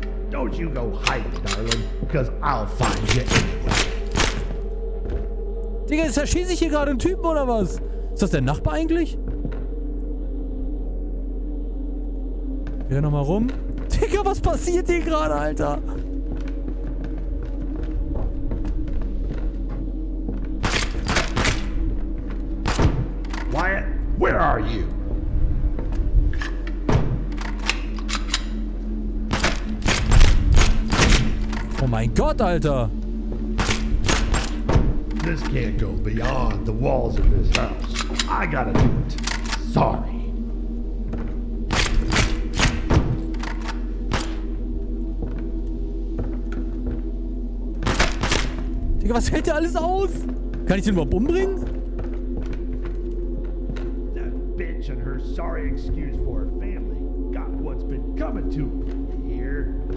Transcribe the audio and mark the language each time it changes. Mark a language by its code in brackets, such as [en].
[en] Don't you go hiding, darling, because I'll find you anyway. [de] Digga, ist da schließlich hier gerade ein Typen oder was? Ist das der Nachbar eigentlich? Wieder nochmal rum. Digga, was passiert hier gerade, Alter? [en] Wyatt, where are you? [de] Oh mein Gott, Alter! [en] This can't go beyond the walls of this house. I gotta do it. Sorry. [de] Digga, was hält der alles aus? Kann ich den überhaupt umbringen? [en] That bitch and her sorry excuse for her family got what's been coming to here.